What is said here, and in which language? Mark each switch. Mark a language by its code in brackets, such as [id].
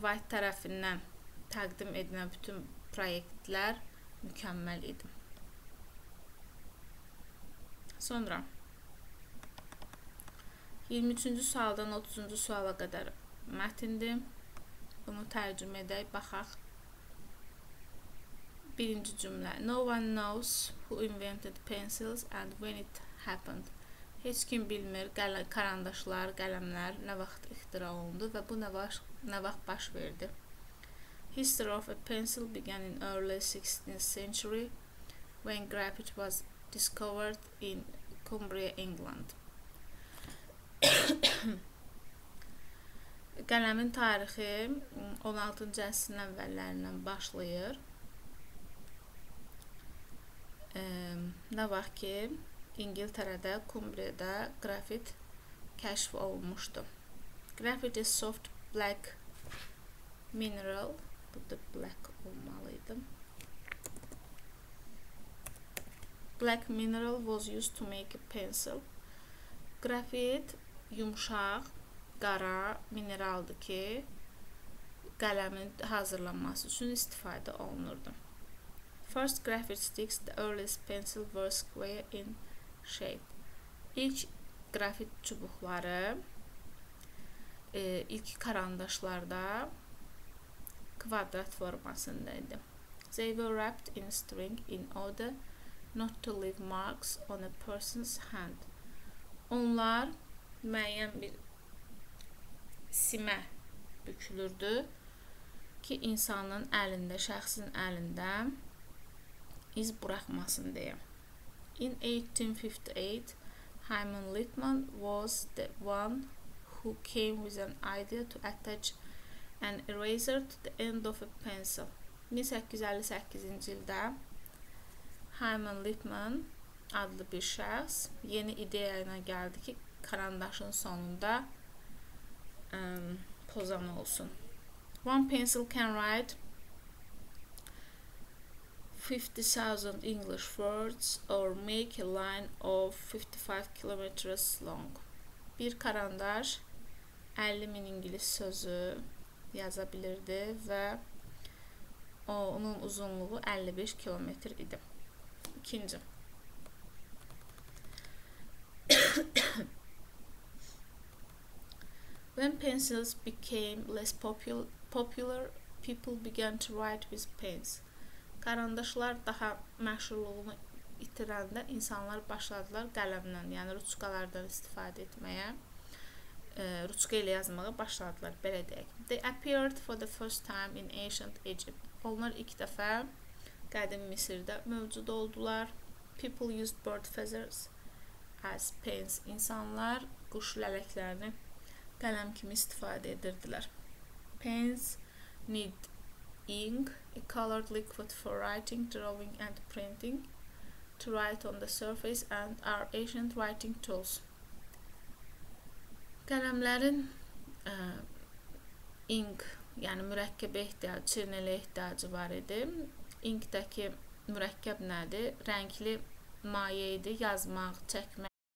[az] White tərəfindən təqdim edilən bütün proyektlər mükəmməl idi. Sonra 23-cü sualdan 30-cu suala qədər mətindir. Bunu tərcümə edək, baxaq. Birinci cümlə. [en] No one knows who invented pencils and when it happened. [az] Heç kim bilmir karandaşlar, qələmlər nə vaxt ixtira olundu və bu nə vaxt baş verdi. [en] History of a pencil began in early 16th century when graphite was discovered in Cumbria, England. [az] Qələmin tarixi 16-cı əsrin əvvəllərindən başlayır. Nə vaxt ki, İngiltərədə, Cumbriada grafit kəşf olmuşdu. [en] Grafit is soft black mineral. [az] Bu da black olmalıydı. [en] Black mineral was used to make a pencil. [az] Grafit yumşaq, qara mineraldır ki, qələmin hazırlanması üçün istifadə olunurdu. [en] First graphite sticks, the earliest pencil, were square in shape. [az] İlk grafit çubuqları ilk karandaşlarda kvadrat formasındaydı. [en] They were wrapped in string in order not to leave marks on a person's hand. [az] Onlar müəyyən bir simə bükülürdü ki, insanın əlində, şəxsin əlində iz buraxmasın deyə. [en] In 1858, Hyman Littman was the one who came with an idea to attach an eraser to the end of a pencil. [az] 1858-ci ildə Hyman Littman adlı bir şəxs yeni ideya ilə gəldi ki, karandaşın sonunda pozan olsun. [en] One pencil can write 50,000 English words or make a line of 55 kilometers long. [az] Bir karandaş 50,000 İngiliz sözü yaza bilirdi və onun uzunluğu 55 kilometr idi. İkinci. [en] When pencils became less popular, people began to write with pens. [az] Karandaşlar daha məşhurluğunu itirəndə insanlar başladılar qələmlə, yəni ruçkalardan istifadə etməyə, ruçka ilə yazmağa başladılar, belə deyək. [en] They appeared for the first time in ancient Egypt. [az] Onlar ilk dəfə qədim Misirdə mövcud oldular. [en] People used bird feathers as pens. [az] İnsanlar quş lələklərini qələm kimi istifadə edirdilər. [en] Pens need ink, a colored liquid for writing, drawing and printing, to write on the surface and are ancient writing tools. [az] Qələmlərin ink, yəni mürəkkəbə ehtiyacı, çirnələ ehtiyacı var idi. İnkdəki mürəkkəb nədir? Rəngli maye idi, yazmaq, çəkmək.